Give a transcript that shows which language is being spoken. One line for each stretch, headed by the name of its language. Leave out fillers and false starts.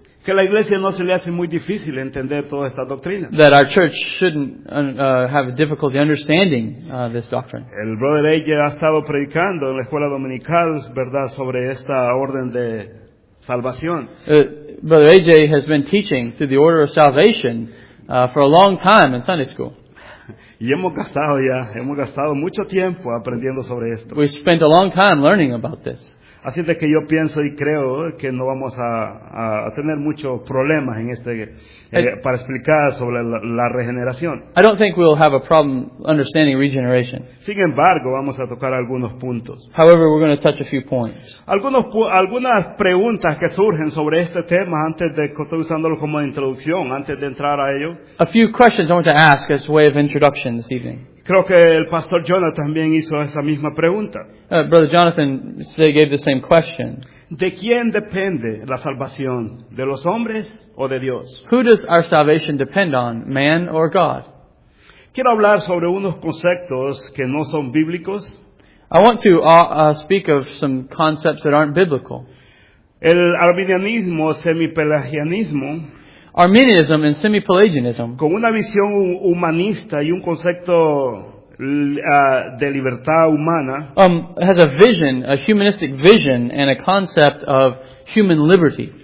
Spanish: Que la iglesia no se le hace muy difícil entender toda esta doctrina.
English: That our church shouldn't have a difficulty understanding this doctrine.
Spanish: El brother AJ ha estado predicando en la escuela dominical, ¿verdad?, sobre esta orden de salvación.
English: Brother AJ has been teaching through the order of salvation for a long time in Sunday school.
Spanish: Y hemos gastado mucho tiempo aprendiendo sobre esto.
English: We spent a long time learning about this.
Spanish: Así de que yo pienso y creo que no vamos a tener muchos problemas en este para explicar sobre la regeneración.
English: I don't think we'll have a problem understanding regeneration.
Spanish: Sin embargo, vamos a tocar algunos puntos.
English: However, we're going to touch a few points.
Spanish: Algunas preguntas que surgen sobre este tema antes de estoy usándolo como introducción, antes de entrar a ello.
English: A few questions I want to ask as a way of introduction this evening.
Spanish: Creo que el pastor Jonathan también hizo esa misma pregunta.
English: Brother Jonathan gave the same question.
Spanish: ¿De quién depende la salvación? ¿De los hombres o de Dios?
English: Who does our salvation depend on, man or God?
Spanish: Quiero hablar sobre unos conceptos que no son bíblicos.
English: I want to speak of some concepts that aren't biblical.
Spanish: El arminianismo, semipelagianismo.
English: Arminianism and semi-Pelagianism.
Spanish: Con una visión humanista y un concepto de libertad humana.
English: Has a vision, a humanistic vision, and a concept of human liberty.